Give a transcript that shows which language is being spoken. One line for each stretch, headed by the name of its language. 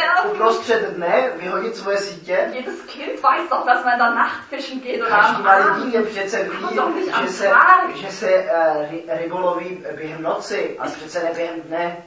Czech: Uprostřed dne vyhodit svoje sítě.
German: Jedes Kind weiß doch, dass man da nachts fischen geht oder am Abend.
Czech: Každý dítě přece ví, že se ryboloví během noci a přece ne během dne.